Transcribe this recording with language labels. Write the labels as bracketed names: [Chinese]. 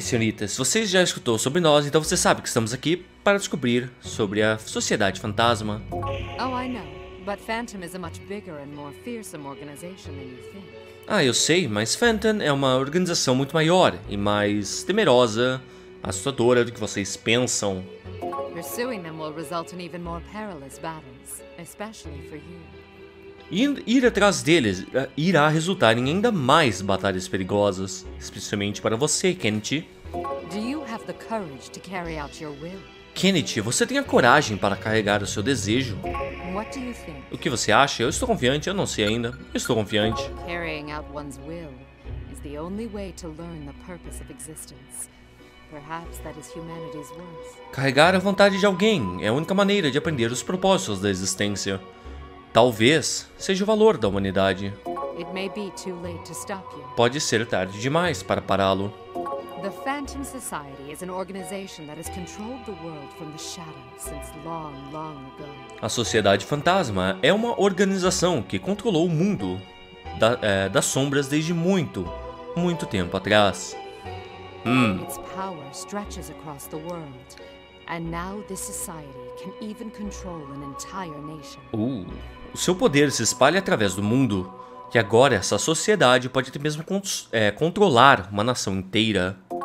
[Portuguese] senhorita, se você já escutou sobre nós, então você sabe que estamos aqui para descobrir sobre a Sociedade Fantasma. [English] Oh, I know, but Phantom is a much bigger and more fearsome organization than you think. [Portuguese] Ah, eu sei, mas Phantom é uma organização muito maior e mais temerosa, assustadora do que vocês pensam. [English] Pursuing them will result in even more perilous battles, especially for you. [Portuguese] Ir atrás deles irá resultar em ainda mais batalhas perigosas, especialmente para você, Kennedy. [English] Do you have the courage to carry out your will? [Portuguese] Kennedy, você tem a coragem para carregar o seu desejo? [English] What do you think? [Portuguese] O que você acha? Eu estou confiante, eu não sei ainda. Eu estou confiante. [English] Carrying out one's will is the only way to learn the purpose of existence. Perhaps that is humanity's worst. [Portuguese] Carregar a vontade de alguém é a única maneira de aprender os propósitos da existência. Talvez seja o valor da humanidade. [English] It may be too late to stop you. [Portuguese] Pode ser tarde demais para pará-lo. [English] The Phantom Society is an organization that has controlled the world from the shadows since long, long ago. [Portuguese] A Sociedade Fantasma é uma organização que controlou o mundo das sombras desde muito, muito tempo atrás. [English] Its power stretches across the world, and now this society can even control an entire nation. [Portuguese] O seu poder se espalha através do mundo, e agora essa sociedade pode até mesmo controlar uma nação inteira.